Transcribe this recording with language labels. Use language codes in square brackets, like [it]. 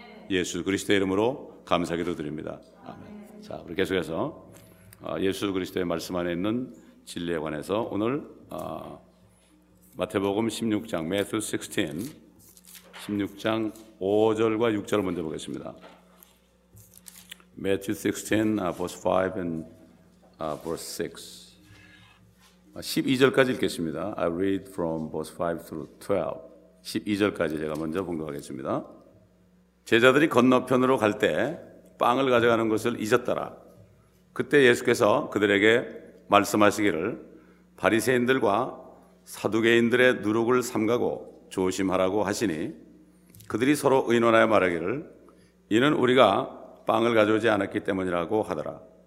[ko] 예수 그리스도의 이름으로 감사기도 드립니다. 아멘. 자, 우리 계속해서 예수 그리스도의 말씀 안에 있는 진리에 관해서 오늘 마태복음 16장, Matthew 16, 16장 5절과 6절을 먼저 보겠습니다. [en] Matthew 16, verse 5 and verse 6. [ko] 12절까지 읽겠습니다. [en] I read from verse 5 through 12. [ko] 12절까지 제가 먼저 봉독하겠습니다. 제자들이 건너편으로 갈 때 빵을 가져가는 것을 잊었더라. 그때 예수께서 그들에게 말씀하시기를 바리새인들과 사두개인들의 누룩을 삼가고 조심하라고 하시니, 그들이 서로 의논하여 말하기를 이는 우리가 빵을 가져오지 않았기 때문이라고 하더라.